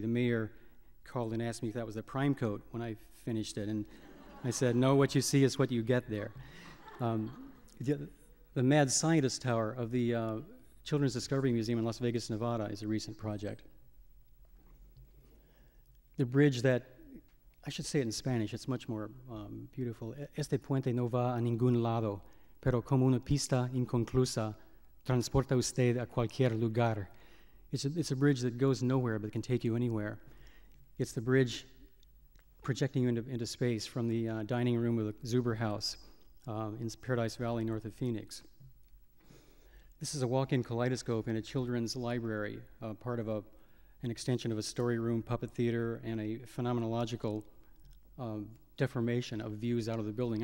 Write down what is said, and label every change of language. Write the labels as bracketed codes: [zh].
[en] The mayor called and asked me if that was the prime coat when I finished it, and I said, no, what you see is what you get there. The Mad Scientist Tower of the Children's Discovery Museum in Las Vegas, Nevada is a recent project. The bridge that, I should say it in Spanish, it's much more beautiful. [es] Este puente no va a ningún lado, pero como una pista inconclusa, transporta usted a cualquier lugar. [en] It's a bridge that goes nowhere but can take you anywhere. It's the bridge projecting you into space from the dining room of the Zuber House in Paradise Valley north of Phoenix. This is a walk-in kaleidoscope in a children's library, part of an extension of a story room, puppet theater, and a phenomenological deformation of views out of the building.